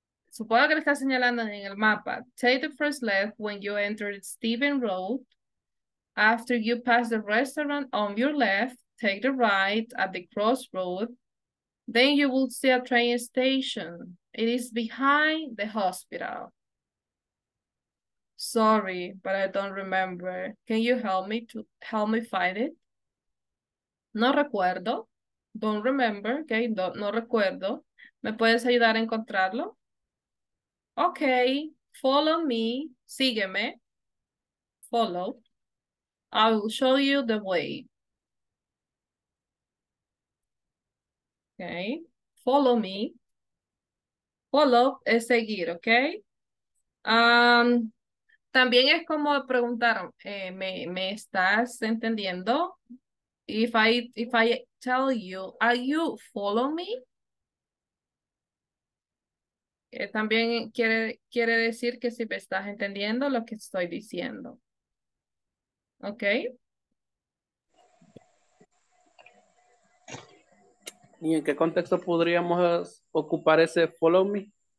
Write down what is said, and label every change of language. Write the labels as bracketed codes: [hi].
[es] Supongo que le está señalando en el mapa. [en] Take the first left when you enter Stephen Road. After you pass the restaurant on your left, take the right at the crossroad. Then you will see a train station. It is behind the hospital. Sorry, but I don't remember. Can you help me find it? [es] No recuerdo. [en] Don't remember. [es] Okay, no recuerdo. ¿Me puedes ayudar a encontrarlo? [en] Okay, follow me. [es] Sígueme. [en] Follow. I will show you the way. Okay, follow me. Follow [es] es seguir, [en] okay? [es] También es como preguntar, ¿me estás entendiendo? [en] If I tell you, are you following me? [es] También quiere decir que si me estás entendiendo lo que estoy diciendo. ¿Ok? ¿Y en qué contexto podríamos ocupar ese follow me?